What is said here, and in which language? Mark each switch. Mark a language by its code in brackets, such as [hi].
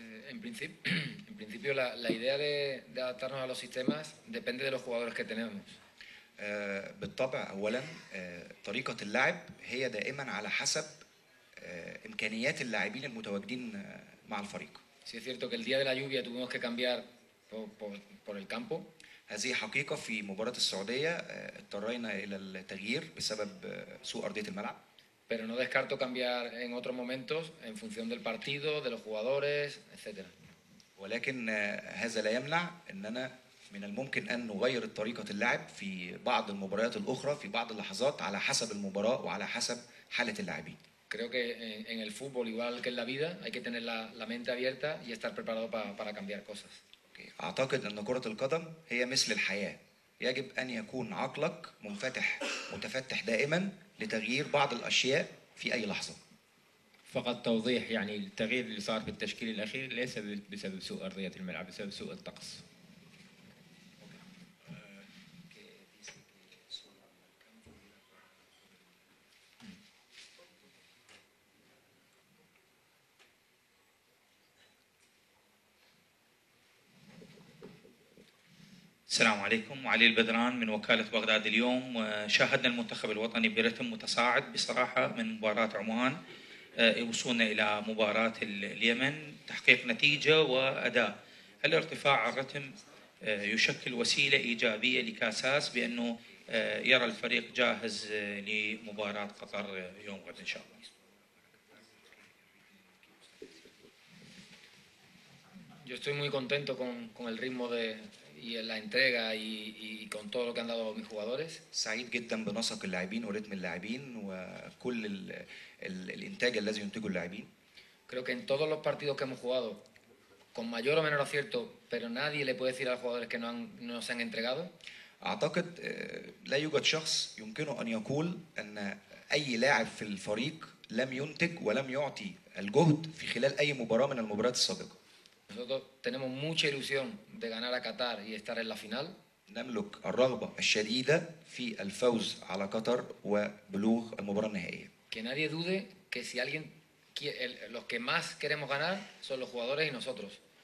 [es] En principio, la idea de adaptarnos a los sistemas depende de los jugadores que tenemos. [ar] بالطبع أولا طريقة اللعب هي دائما على حسب إمكانيات اللاعبين المتواجدين مع الفريق. [es] Sí, es cierto que el día de la lluvia tuvimos que cambiar por el campo. [ar] هذه حقيقة في مباراة السعودية اضطرينا إلى التغيير بسبب سوء أرضية الملعب. [es] Pero no descarto cambiar en otros momentos en función del partido, de los jugadores, etc. [ar] ولكن هذا لا يمنع أننا من الممكن أن نغير طريقة اللعب في بعض المباريات الأخرى في بعض اللحظات على حسب المباراة وعلى حسب حالة اللاعبين. [es] Creo que en el fútbol igual que en la vida hay que tener la mente abierta y estar preparado para cambiar cosas. [ar] أعتقد أن كرة القدم هي مثل الحياة. يجب أن يكون عقلك منفتح متفتح دائما لتغيير بعض الأشياء في أي لحظة. فقط توضيح، يعني التغيير اللي صار في التشكيل الأخير ليس بسبب سوء أرضية الملعب، بسبب سوء الطقس. السلام عليكم، علي البدران من وكالة بغداد اليوم. شاهدنا المنتخب الوطني برتم متصاعد بصراحة من مباراة عمان وصولنا إلى مباراة اليمن، تحقيق نتيجة وأداء. هل ارتفاع الرتم يشكل وسيلة إيجابية لكاساس بأنه يرى الفريق جاهز لمباراة قطر يوم غد إن شاء الله؟ [es] Yo estoy muy contento con el ritmo de y la entrega y con todo lo que han dado mis jugadores. [ar] سعيد جدا بنسق اللاعبين وريتم اللاعبين وكل الانتاج الذي ينتجه اللاعبين. [es] Creo que en todos los partidos que hemos jugado con mayor o menor acierto, pero nadie le puede decir a los jugadores que no se han entregado. [ar] أعتقد لا يوجد شخص يمكنه أن يقول أن أي لاعب في الفريق لم ينتج ولم يعطي الجهد في خلال أي مباراة من المباريات السابقة. [es] Nosotros tenemos mucha ilusión de ganar a Qatar y estar en la final. [ar] نملك الرغبة الشديدة في الفوز على قطر وبلوغ المباراة النهائية. [es] Que nadie dude que si alguien los que más queremos ganar son los jugadores y nosotros.